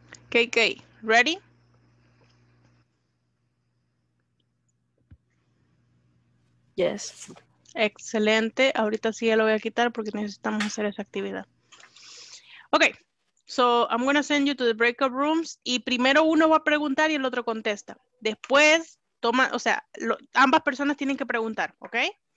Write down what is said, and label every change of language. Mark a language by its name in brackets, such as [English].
[English] KK, ready? Yes. [Spanish] Excelente. Ahorita sí ya lo voy a quitar porque necesitamos hacer esa actividad. Okay. [English] So, I'm going to send you to the breakout rooms. [Spanish] Y primero uno va a preguntar y el otro contesta. Después, toma, o sea, ambas personas tienen que preguntar, okay?